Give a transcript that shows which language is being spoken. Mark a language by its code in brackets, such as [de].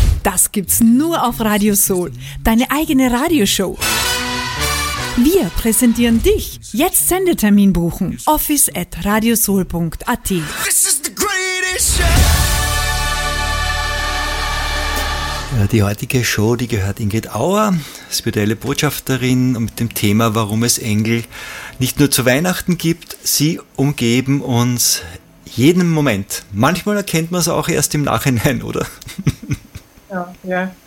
[de] Das gibt's nur auf Radio Soul. Deine eigene Radioshow. Wir präsentieren dich. Jetzt Sendetermin buchen. office@radiosoul.at. [en] This is the greatest show. [de] Ja, die heutige Show, die gehört Ingrid Auer, spirituelle Botschafterin, mit dem Thema, warum es Engel nicht nur zu Weihnachten gibt. Sie umgeben uns jeden Moment. Manchmal erkennt man es auch erst im Nachhinein, oder? Ja.